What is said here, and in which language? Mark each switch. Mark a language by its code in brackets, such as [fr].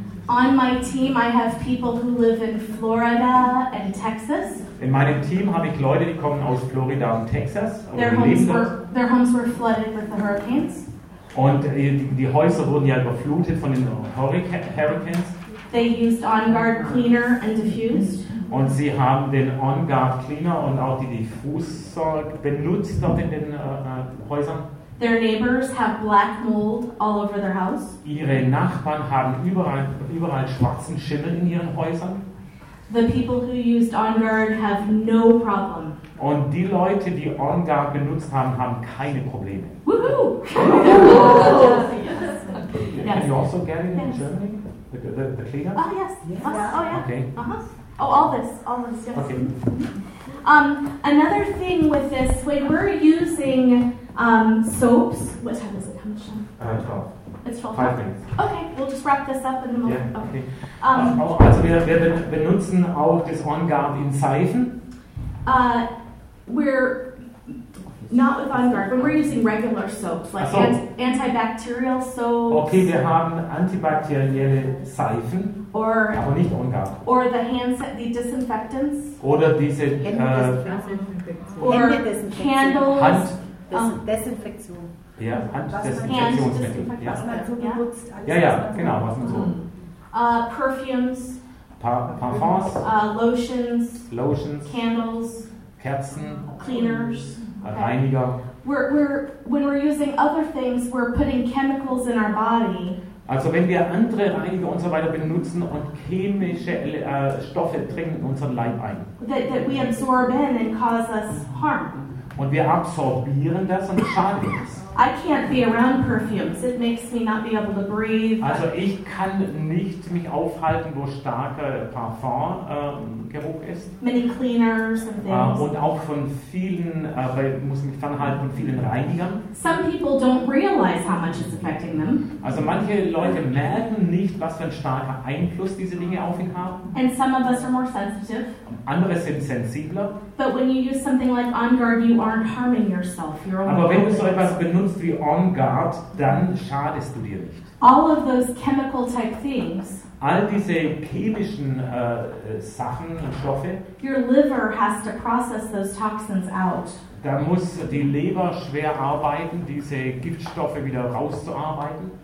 [en] On my team, I have people who live in Florida and Texas. [de] In meinem Team habe ich Leute, die kommen aus Florida und Texas. [en] Their homes were flooded with the hurricanes. [de] Und die Häuser wurden ja überflutet von den Hurricanes. [en] They used OnGuard cleaner and diffused. [de] Und sie haben den OnGuard cleaner und auch die Diffuser benutzt dort in den Häusern. [en] Their neighbors have black mold all over their house. [de] Ihre Nachbarn haben überall schwarzen Schimmel in ihren Häusern. [en] The people who used OnGuard have no problem. [de] Und die Leute, die OnGuard benutzt haben, haben keine Probleme. Woohoo! [en] Can you also get it in Germany? The cleaner? Oh yes. Oh yeah. Okay. Uh-huh. Oh, all this. Yes. Okay. Another thing with this, when we're using soaps, what time is it? How much time? 12. It's 12. 5 minutes. Okay, we'll just wrap this up in a moment. Yeah. Okay. [de] Also wir benutzen auch das OnGuard in Seifen. [en] We're not with OnGuard, but we're using regular soaps, like antibacterial soaps. [de] Okay, wir haben antibakterielle Seifen, aber nicht OnGuard. [en] Or the hand the disinfectants. [de] Oder diese Hände [en] Or candles. Hand [de] Desinfektion. Ja, Handdesinfektionsmittel. Was man so benutzt. Ja, ja, genau, was man so. [en] Perfumes. [de] Parfums. [en] Lotions. [de] Lotions. [en] Candles. [de] Kerzen. [en] Cleaners. [de] Okay. Reiniger. [en] When we're using other things, we're putting chemicals in our body. [de] Also wenn wir andere Reiniger und so weiter benutzen und chemische Stoffe dringen in unseren Leib ein. [en] That we absorb in and cause us harm. [de] Und wir absorbieren das und schaden uns. [en] I can't be around perfumes. It makes me not be able to breathe. [de] Also ich kann nicht mich aufhalten, wo starker Parfumgeruch ist. [en] Many cleaners and things. [de] Und auch von vielen, weil ich muss mich fernhalten, von vielen Reinigern. [en] Some people don't realize how much it's affecting them. [de] Also manche Leute merken nicht, was für ein starker Einfluss diese Dinge auf ihn haben. [en] And some of us are more sensitive. [de] Andere sind sensibler. [en] But when you use something like On Guard, you aren't harming yourself. You're only. [de] Aber wenn du so etwas benutzt wie On Guard, dann schadest du dir nicht. [en] All of those chemical type things. [de] All diese chemischen Sachen und Stoffe. [en] Your liver has to process those toxins out. [de] Da muss die Leber schwer arbeiten, diese Giftstoffe wieder rauszuarbeiten.